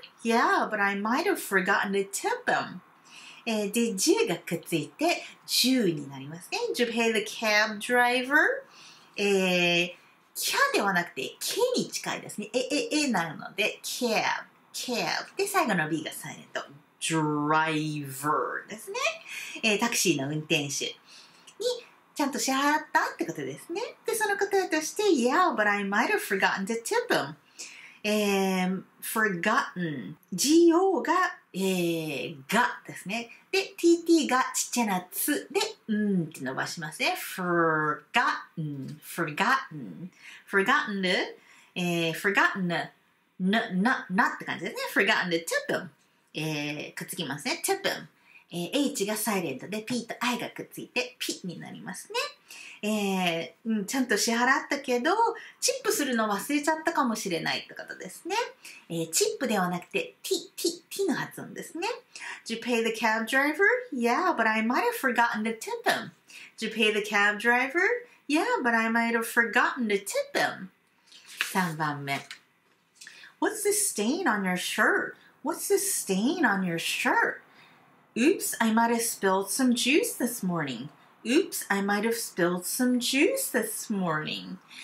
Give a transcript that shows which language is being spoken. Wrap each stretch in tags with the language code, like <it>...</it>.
<en>Yeah, but I might have forgotten to tip him.</en> <ja>で、10がくっついて10になりますね。</ja> <en>Did you pay the cab driver?</en> <ja>キャではなくて、K に近いですね。 A なので、cab。で、最後の B がサイレント。 driver ですね、タクシーの運転手にちゃんと支払ったってことですね。で、その答えとして、</ja> <en>Yeah, but I might have forgotten to tip him.</en> <ja>forgotten. G-O が、がですね。で、TT がちっちゃなつで、うんって伸ばしますね。</ja> <en>forgotten. forgotten. forgotten.</en> <ja>なって感じですね。</ja> <en>forgotten to tip him.、</en> <ja>くっつきますね。 tip him.、H がサイレントで、P と I がくっついて、P になりますね。ちゃんと支払ったけど、チップするの忘れちゃったかもしれないってことですね。チップではなくて、T の発音ですね。</ja> <en>Did you pay the cab driver? Yeah, but I might have forgotten to tip him. Did you pay the cab driver? Yeah, but I might have forgotten to tip him.</en> <ja>3番目。</ja> <en>What's this stain on your shirt? What's this stain on your shirt? Oops, I might have spilled some juice this morning. Oops, I might have spilled some juice this morning.</en>